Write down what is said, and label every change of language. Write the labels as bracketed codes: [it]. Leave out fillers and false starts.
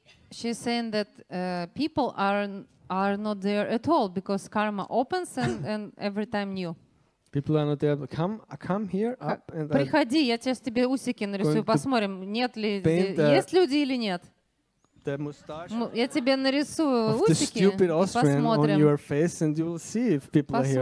[en] She's saying that people are not there at all because karma opens and every time new. People are not there. Come here up and [ru] приходи, я сейчас тебе усики нарисую, посмотрим, нет ли есть люди или нет. Я тебе нарисую усики, посмотрим. [en] On your face and you will see if people are here.